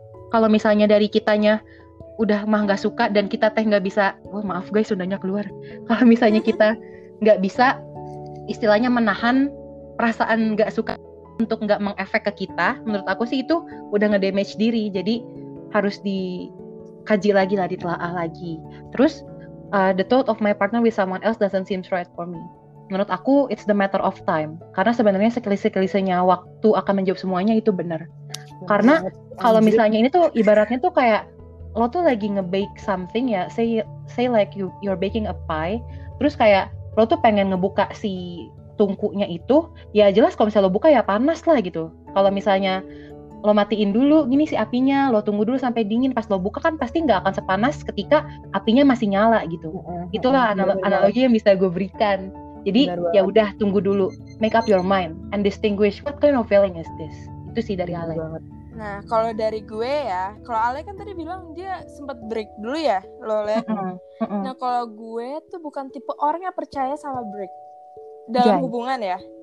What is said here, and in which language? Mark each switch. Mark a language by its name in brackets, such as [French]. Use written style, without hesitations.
[Indonesian] Kalau misalnya dari kitanya udah mah nggak suka dan kita teh nggak bisa, wah maaf guys Sundanya keluar. Kalau misalnya kita nggak bisa istilahnya menahan perasaan nggak suka untuk nggak mengefek ke kita, menurut aku sih itu udah ngedamage diri. Jadi harus dikaji lagi lah, ditelaah lagi. Terus [English] the thought of my partner with someone else doesn't seem right for me. [Indonesian] Menurut aku, [English] it's the matter of time. [Indonesian] Karena sebenarnya sekelise-kelisenya waktu akan menjawab semuanya itu benar. Karena kalau misalnya ini tuh ibaratnya tuh kayak lo tuh lagi nge-bake something ya, [English] say like you're baking a pie, [Indonesian] terus kayak lo tuh pengen ngebuka si tungkunya itu, ya jelas kalau misalnya lo buka ya panas lah gitu. Kalau misalnya lo matiin dulu, gini si apinya, lo tunggu dulu sampai dingin, pas lo buka kan pasti gak akan sepanas ketika apinya masih nyala gitu. Itulah analogi yang bisa gue berikan. Jadi ya udah tunggu dulu, [English] make up your mind and distinguish what kind of feeling is this. [Indonesian] Itu sih dari Ale. Nah kalau dari gue ya, kalau Ale kan tadi bilang dia sempat break dulu ya, lo lihat. Nah kalau gue tuh bukan tipe orang yang percaya sama break dalam hubungan ya.